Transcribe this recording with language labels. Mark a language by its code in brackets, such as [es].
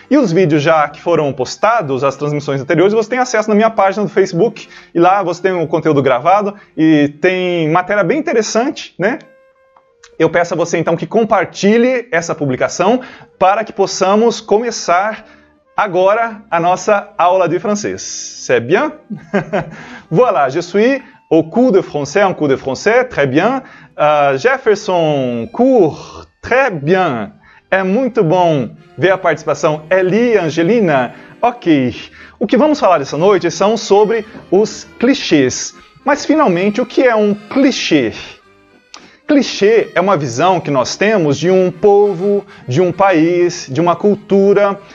[pt] E os vídeos já que foram postados, as transmissões anteriores, você tem acesso na minha página do Facebook. E lá você tem o conteúdo gravado e tem matéria bem interessante, né? Eu peço a você, então, que compartilhe essa publicação para que possamos começar agora, a nossa aula de francês. [fr] C'est bien? Voilà, je suis au cours de français, en cours de français, très bien. Jefferson, cours, très bien. [pt] É muito bom ver a participação. Eli, Angelina, ok. O que vamos falar essa noite são sobre os clichês. Mas, finalmente, o que é um clichê? Clichê é uma visão que nós temos de um povo, de um país, de uma cultura.